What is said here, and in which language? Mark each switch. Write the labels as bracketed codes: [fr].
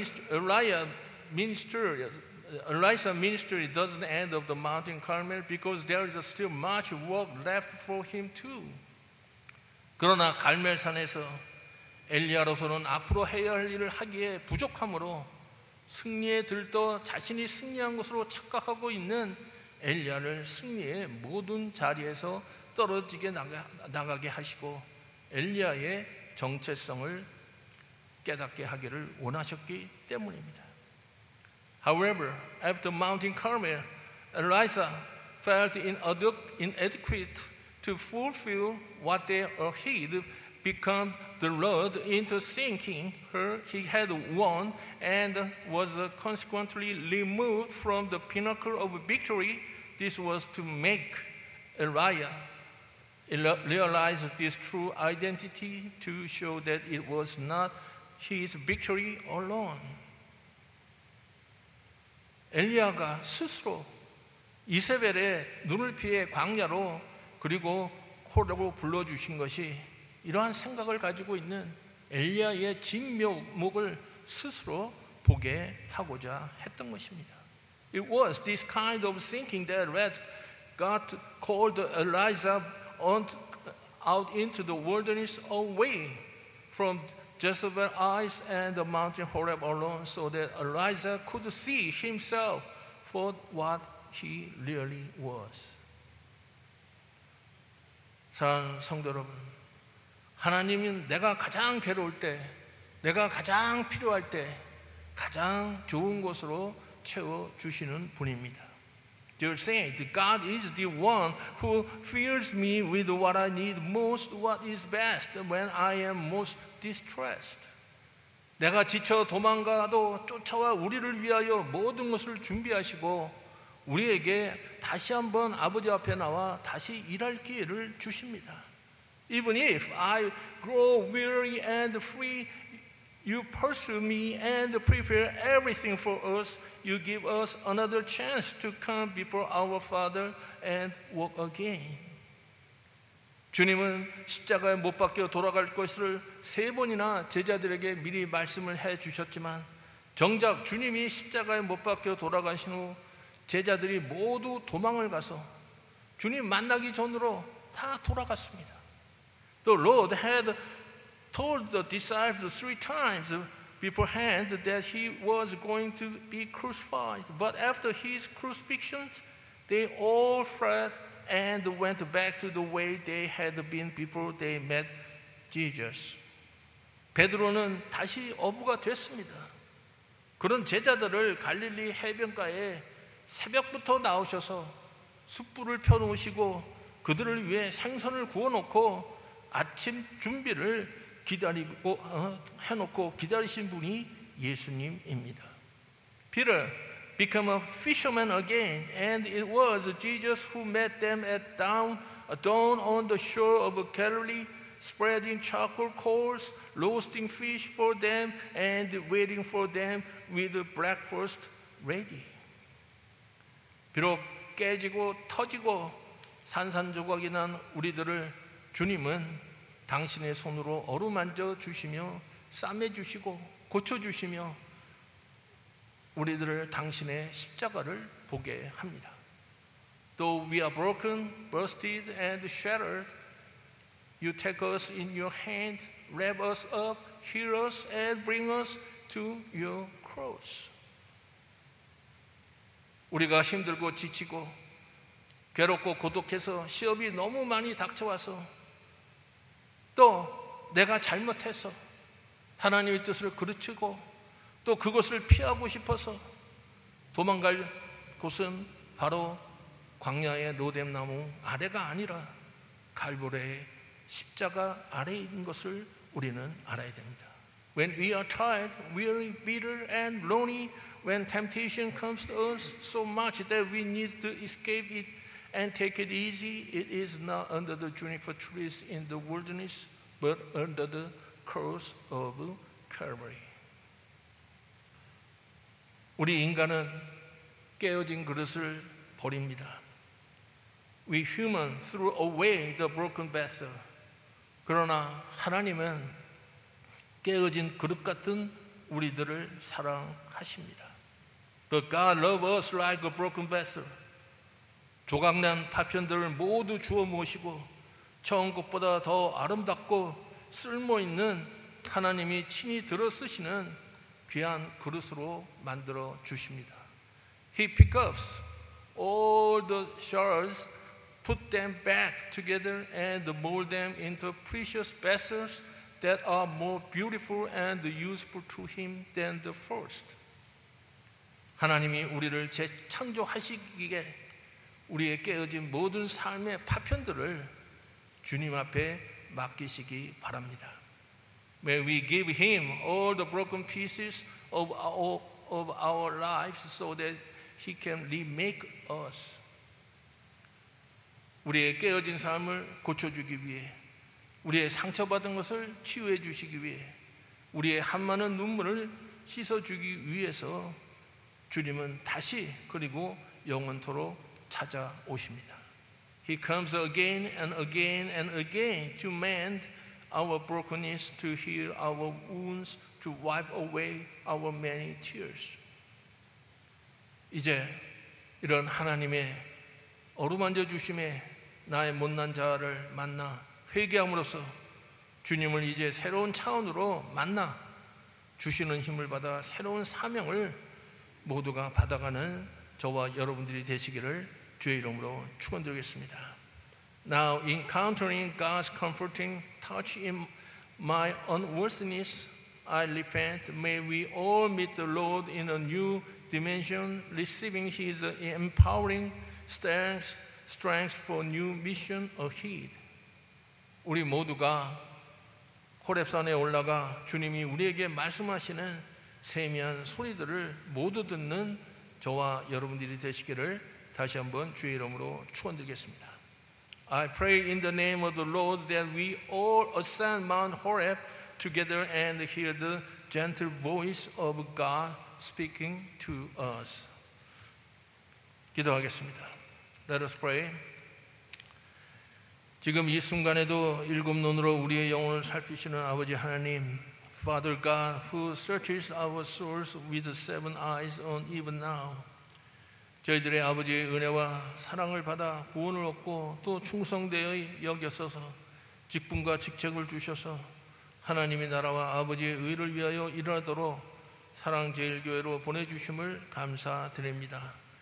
[en] Elijah's ministry doesn't end at the mountain Carmel because there is still much work left for him too. [ko] 그러나 갈멜산에서 엘리야로서는 앞으로 해야 할 일을 하기에 부족함으로 승리에 들떠 자신이 승리한 것으로 착각하고 있는 엘리야를 승리의 모든 자리에서 떨어지게 나가게 하시고 엘리야의 정체성을 깨닫게 하기를 원하셨기 때문입니다. [en] However, after Mount Carmel, Elijah felt inadequate to fulfill what they had become the lured into thinking her he had won and was consequently removed from the pinnacle of victory. This was to make Elijah realize this true identity, to show that it was not his victory alone. [ko] 엘리야가 스스로 이세벨의 눈을 피해 광야로 그리고 코라고 불러주신 것이 이러한 생각을 가지고 있는 엘리야의 진묘목을 스스로 보게 하고자 했던 것입니다. [en] It was this kind of thinking that led God called Elijah out into the wilderness away from Jezebel's eyes and the mountain Horeb alone so that Elijah could see himself for what he really was. [ko] 사랑하는 성도 여러분, 하나님은 내가 가장 괴로울 때, 내가 가장 필요할 때 가장 좋은 곳으로 채워주시는 분입니다. [en] Dear saint, God is the one who fills me with what I need most, what is best when I am most distressed. [ko] 내가 지쳐 도망가도 쫓아와 우리를 위하여 모든 것을 준비하시고 우리에게 다시 한번 아버지 앞에 나와 다시 일할 기회를 주십니다. [en] Even if I grow weary and free, you pursue me and prepare everything for us. You give us another chance to come before our Father and walk again. [ko] 주님은 십자가에 못 박혀 돌아갈 것을 세 번이나 제자들에게 미리 말씀을 해 주셨지만 정작 주님이 십자가에 못 박혀 돌아가신 후 제자들이 모두 도망을 가서 주님 만나기 전으로 다 돌아갔습니다. [en] The Lord had told the disciples three times beforehand that he was going to be crucified. But after his crucifixion, they all fled and went back to the way they had been before they met Jesus. [ko] 베드로는 다시 어부가 됐습니다. 그런 제자들을 갈릴리 해변가에 새벽부터 나오셔서 숯불을 펴놓으시고 그들을 위해 생선을 구워놓고 아침 준비를 기다리고 해놓고 기다리신 분이 예수님입니다. [en] Peter became a fisherman again, and it was Jesus who met them at dawn on the shore of Galilee, spreading charcoal coals, roasting fish for them, and waiting for them with breakfast ready. [ko] 비록 깨지고 터지고 산산조각이 난 우리들을 주님은 당신의 손으로 어루만져 주시며 싸매 주시고 고쳐 주시며 우리들을 당신의 십자가를 보게 합니다. [en] Though we are broken, busted, and shattered, you take us in your hand, wrap us up, heal us, and bring us to your cross. [ko] 우리가 힘들고 지치고 괴롭고 고독해서 시험이 너무 많이 닥쳐와서 또 내가 잘못해서 하나님의 뜻을 그르치고 또 그것을 피하고 싶어서 도망갈 곳은 바로 광야의 로뎀나무 아래가 아니라 갈보리의 십자가 아래인 것을 우리는 알아야 됩니다. [en] When we are tired, weary, bitter, and lonely, when temptation comes to us so much that we need to escape it and take it easy, it is not under the juniper trees in the wilderness, but under the cross of Calvary. [ko] 우리 인간은 깨어진 그릇을 버립니다. [en] We humans throw away the broken vessel. [ko] 그러나 하나님은 깨어진 그릇 같은 우리들을 사랑하십니다. [en] But God loves us like a broken vessel. [ko] 조각난 파편들을 모두 주워 모으시고 처음 것보다 더 아름답고 쓸모있는 하나님이 친히 들어 쓰시는 귀한 그릇으로 만들어 주십니다. [en] He picks up all the shards, put them back together and mold them into precious vessels that are more beautiful and useful to him than the first. [ko] 하나님이 우리를 재창조하시기에 우리의 깨어진 모든 삶의 파편들을 주님 앞에 맡기시기 바랍니다. [en] May we give him all the broken pieces of our lives so that he can remake us. [ko] 우리의 깨어진 삶을 고쳐주기 위해, 우리의 상처받은 것을 치유해 주시기 위해, 우리의 한마는 눈물을 씻어주기 위해서 주님은 다시 그리고 영원토록 찾아오십니다. [en] He comes again and again and again to mend our brokenness, to heal our wounds, to wipe away our many tears. [ko] 이제 이런 하나님의 어루만져 주심에 나의 못난 자아를 만나 회개함으로써 주님을 이제 새로운 차원으로 만나 주시는 힘을 받아 새로운 사명을 모두가 받아가는 저와 여러분들이 되시기를 주의 이름으로 축원드리겠습니다. [en] Now encountering God's comforting touch in my unworthiness, I repent. May we all meet the Lord in a new dimension, receiving His empowering strength for new mission ahead. [ko] 우리 모두가 호렙산에 올라가 주님이 우리에게 말씀하시는 세미한 소리들을 모두 듣는 저와 여러분들이 되시기를 다시 한번 주의 이름으로 축원드리겠습니다. [en] I pray in the name of the Lord that we all ascend Mount Horeb together and hear the gentle voice of God speaking to us. [ko] 기도하겠습니다. [en] Let us pray. [ko] 지금 이 순간에도 일곱 눈으로 우리의 영혼을 살피시는 아버지 하나님, [en] Father God, who searches our souls with seven eyes on even now, [ko] 저희들의 아버지의 은혜와 사랑을 받아 구원을 얻고 또 충성되어 여겨서서 직분과 직책을 주셔서 하나님의 나라와 아버지의 의를 위하여 일어나도록 사랑제일교회로 보내주심을 감사드립니다.